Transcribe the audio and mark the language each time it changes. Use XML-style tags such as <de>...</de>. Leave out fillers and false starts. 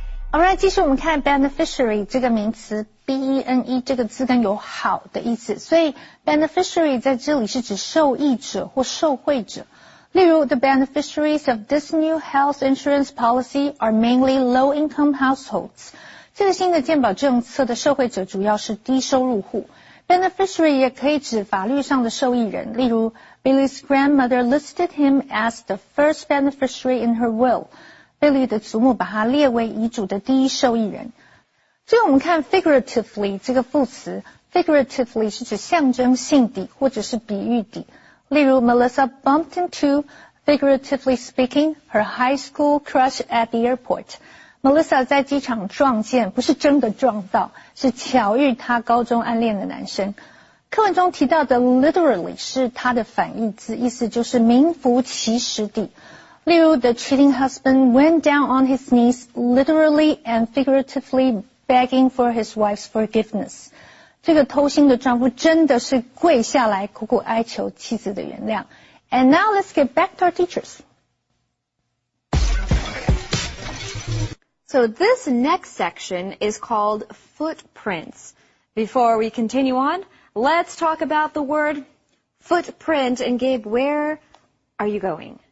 <en>All right,</en> <zh>继续我们看 beneficiary 这个名词 ,B-E-N-E 这个字根有好的意思。所以 beneficiary 在这里是指受益者或受惠者。例如</zh> <en>,the beneficiaries of this new health insurance policy are mainly low-income households.</en> <zh>这个新的健保政策的受惠者主要是低收入户。</zh> <en>Beneficiary</en> <zh>也可以指法律上的受益人。例如</zh> <en>,Billy's grandmother listed him as the first beneficiary in her will.</en> <zh>贝利的祖母把他列为遗嘱的第一受益人。最后我们看 figuratively 这个副词， figuratively 是指象征性的或者是比喻的。例如</zh> <en>Melissa bumped into Figuratively speaking, her high school crush at the airport.</en> <zh>Melissa 在机场撞见，不是真的撞到，是巧遇她高中暗恋的男生。课文中提到的 literally 是她的反义词，意思就是名副其实地。例如</zh> <en>,the cheating husband went down on his knees literally and figuratively begging for his wife's forgiveness.</en> <zh>这个偷腥的丈夫真的是跪下来苦苦哀求妻子的原谅。</zh> <en>And now let's get back to our teachers. So this next section is called footprints. Before we continue on, let's talk about the word footprint. And Gabe, where are you going?</en>